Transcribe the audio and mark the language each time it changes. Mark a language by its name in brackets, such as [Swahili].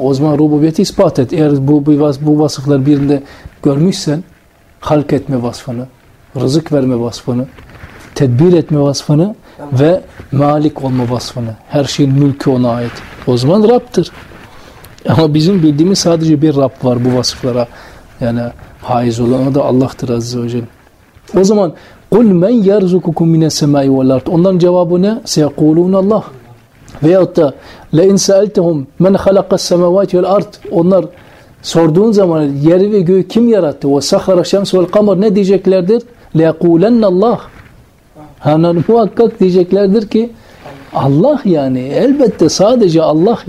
[Turkish] O zaman rububiyeti ispat et. Eğer bu vasıflar birinde görmüşsen, halk etme vasfını, rızık verme vasfını, tedbir etme vasfını, tamam, ve malik olma vasfını. Her şeyin mülkü ona ait. O zaman Rab'tır. Ama bizim bildiğimiz sadece bir Rab var bu vasıflara. Yani haiz olan o da Allah'tır Aziz Hocam. O zaman [Arabic] قُلْ مَنْ يَرْزُكُكُمْ مِنَ السَّمَاءِ وَالْاَرْضِ. [Turkish] Onların cevabı ne? [Arabic] سَيَقُولُونَ اللّٰهِ. [Turkish] Veyahut da [Arabic] لَاِنْ سَأَلْتَهُمْ مَنْ خَلَقَ السَّمَاوَاتِ وَالْاَرْضِ. [Turkish] Onlar sorduğun zaman yeri ve göğü kim yarattı? [Arabic] وَسَخَرَ الشَّمْسُ وَالْقَمَرِ. [Turkish] Ne diyeceklerdir? [Arabic] لَيَقُولَنَّ اللّٰهِ. [Turkish] Hani muhakkak diyeceklerdir ki Allah, yani elbette sadece Allah.